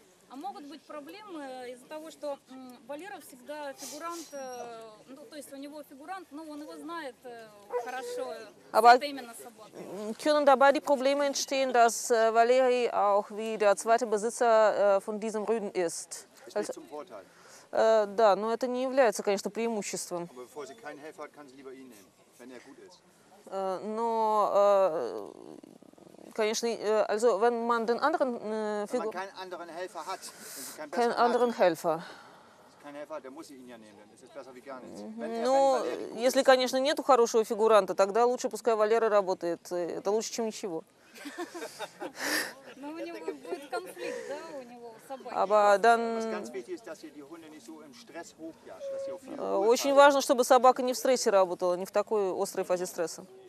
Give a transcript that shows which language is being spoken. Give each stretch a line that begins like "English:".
Russian: А могут быть проблемы из-за того, что Валера всегда фигурант, ну, то есть у него фигурант, но он его знает хорошо, это именно собака.
German: Können dabei Probleme entstehen, dass Valeri auch wie der zweite Besitzer von diesem Rüden ist? Also, zum Vorteil.
Russian: Да, но это не является, конечно, преимуществом.
German: Aber bevor sie keinen Helfer hat, kann sie lieber ihn nehmen, wenn er gut ist.
Russian: Но... Конечно,
German: also wenn man den anderen Figur... Wenn man keinen anderen Helfer hat, keinen anderen Helfer. Kein Helfer, der muss ihn ja nehmen, dann ist es besser wie gar nichts.
Russian: Ну, если, конечно, нету хорошего фигуранта, тогда лучше пускай Валера работает. Это лучше, чем ничего. Но у него будет конфликт, да, у него собаки.
German: Aber dann...
Russian: Очень важно, чтобы собака не в стрессе работала, не в такой острой фазе стресса.